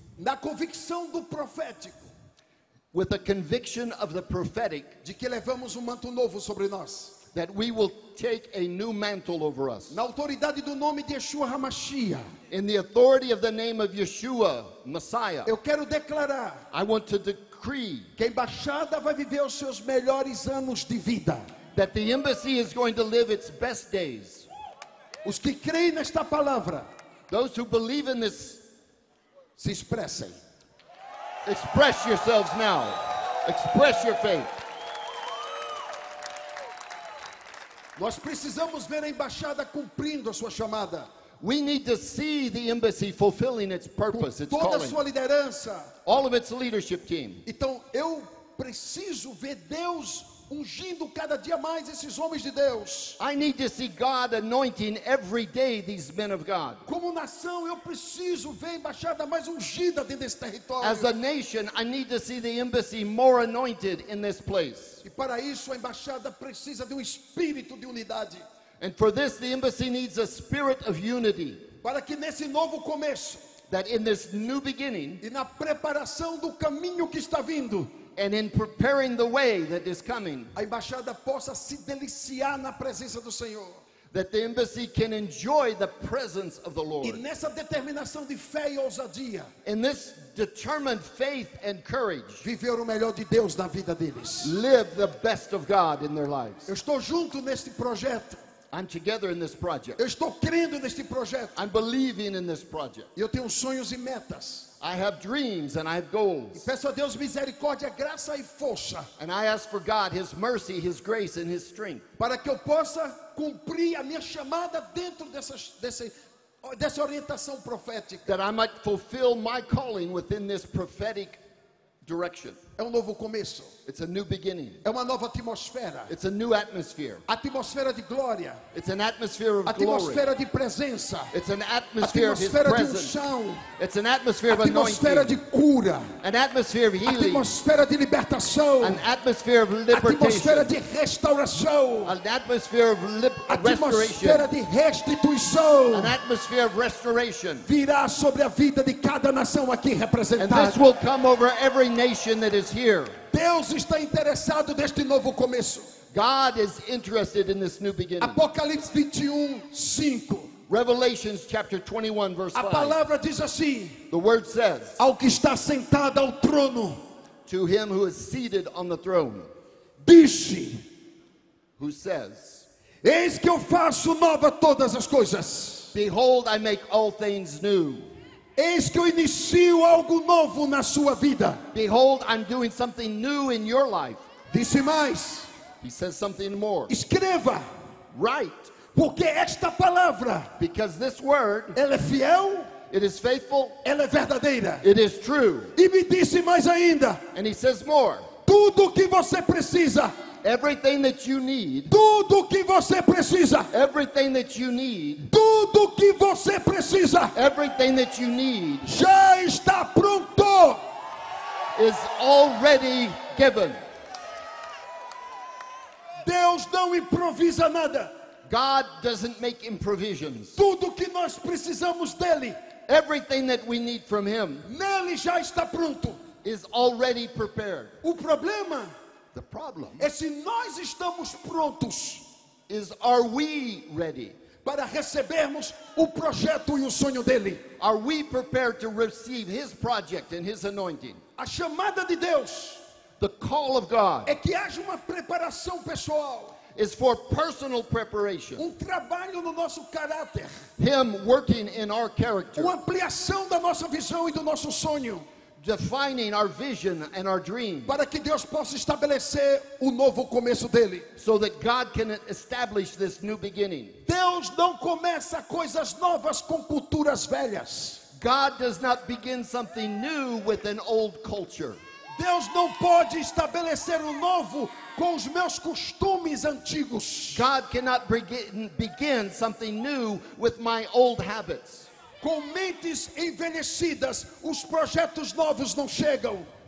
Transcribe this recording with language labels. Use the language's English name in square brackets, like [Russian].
[Portuguese] Na convicção do profético. [English] With a conviction of the prophetic, [Portuguese] de que levamos manto novo sobre nós, [English] that we will take a new mantle over us. [Portuguese] Na autoridade do nome de Yeshua HaMashiach, [English] in the authority of the name of Yeshua, Messiah, [Portuguese] eu quero declarar, [English] I want to decree [Portuguese] que a embaixada vai viver os seus melhores anos de vida. [English] That the embassy is going to live its best days. [Portuguese] Os que creem nesta palavra, [English] those who believe in this, [Portuguese] se expressem. [English] Express yourselves now. Express your faith. [Portuguese] Nós precisamos ver a embaixada cumprindo a sua chamada. [English] We need to see the embassy fulfilling its purpose, its calling. [Portuguese] Toda a sua liderança. [English] All of its leadership team. [Portuguese] Então eu preciso ver Deus ungindo cada dia mais esses homens de Deus. [English] I need to see God anointing every day these men of God. [Portuguese] Como nação, eu preciso ver a embaixada mais ungida dentro desse território. [English] As a nation, I need to see the embassy more anointed in this place. [Portuguese] E para isso, a embaixada precisa de espírito de unidade. [English] And for this, the embassy needs a spirit of unity. [Portuguese] Para que nesse novo começo, [English] that in this new beginning, [Portuguese] e na preparação do caminho que está vindo, [English] and in preparing the way that is coming, [Portuguese] a embaixada possa se deliciar na presença do Senhor. [English] That the embassy can enjoy the presence of the Lord. [Portuguese] E nessa determinação de fé e ousadia, [English] in this determined faith and courage, [Portuguese] viver o melhor de Deus na vida deles. [English] Live the best of God in their lives. [Portuguese] Eu estou junto neste projeto. [English] I'm together in this project. [Portuguese] Eu estou crendo neste projeto. [English] I'm believing in this project. [Portuguese] Eu tenho sonhos e metas. [English] I have dreams and I have goals. [Portuguese] E peço a Deus misericórdia, graça e força. [English] And I ask for God his mercy, his grace and his strength. [Portuguese] Para que eu possa cumprir a minha chamada dentro dessa orientação profética. [English] That I might fulfill my calling within this prophetic direction. [Portuguese] É novo começo. [English] It's a new beginning. [Portuguese] É uma nova atmosfera. [English] It's a new atmosphere. [Portuguese] Atmosfera de glória. [English] It's an atmosphere of [Portuguese] atmosfera [English] glory. [Portuguese] Atmosfera de presença. [English] It's an atmosphere [Portuguese] atmosfera [English] of his presence. [Portuguese] Atmosfera de unção. [English] It's an atmosphere of anointing. [Portuguese] Atmosfera de cura. [English] An atmosphere of healing. [Portuguese] Atmosfera de libertação. [English] An atmosphere of liberation. [Portuguese] Atmosfera de restauração. [English] An atmosphere of restoration. [Portuguese] Atmosfera de restituição. [English] An atmosphere of restoration. [Portuguese] Virá sobre a vida de cada nação aqui representada. [English] And this will come over every nation that is here. [Portuguese] Deus está interessado neste novo começo. [English] God is interested in this new beginning. [Portuguese] Apocalipse 21, 5. [English] Revelation chapter 21, verse 5. [Portuguese] A palavra diz assim. [English] The word says. [Portuguese] Ao que está sentado ao trono. [English] To him who is seated on the throne. [Portuguese] Disse. [English] Who says. [Portuguese] Eis que eu faço nova todas as coisas. [English] Behold, I make all things new. [Portuguese] Eis que eu inicio algo novo na sua vida. [English] Behold, I'm doing something new in your life. [Portuguese] Disse mais. [English] He says something more. [Portuguese] Escreva. [English] Write. [Portuguese] Porque esta palavra. [English] Because this word. [Portuguese] Ela é fiel. [English] It is faithful. [Portuguese] Ela é verdadeira. [English] It is true. [Portuguese] E me disse mais ainda. [English] And he says more. [Portuguese] Tudo que você precisa. [English] Everything that you need. [Portuguese] Tudo que você precisa. [English] Everything that you need. [Portuguese] Tudo que você precisa. [English] Everything that you need. [Portuguese] Já está pronto. [English] Is already given. [Portuguese] Deus não improvisa nada. [English] God doesn't make improvisions. [Portuguese] Tudo que nós precisamos dele. [English] Everything that we need from him. [Portuguese] Nele já está pronto. [English] Is already prepared. [Portuguese] O problema. [English] The problem. [Portuguese] É se nós estamos prontos. [English] Is are we ready? [Portuguese] Para recebermos o projeto e o sonho dele. [English] Are we prepared to receive his project and his anointing? [Portuguese] A chamada de Deus. [English] The call of God. [Portuguese] É que haja uma preparação pessoal. [English] Is for personal preparation. [Portuguese] Um trabalho no nosso caráter. [English] Him working in our character. [Portuguese] Uma ampliação da nossa visão e do nosso sonho. [English] Defining our vision and our dream. [Portuguese] Para que Deus possa estabelecer o novo começo dele. [English] So that God can establish this new beginning. [Portuguese] Deus não começa coisas novas com culturas velhas. [English] God does not begin something new with an old culture. [Portuguese] Deus não pode estabelecer o novo com os meus costumes antigos. [English] God cannot begin something new with my old habits. [Portuguese] Com mentes envelhecidas, os projetos novos não chegam.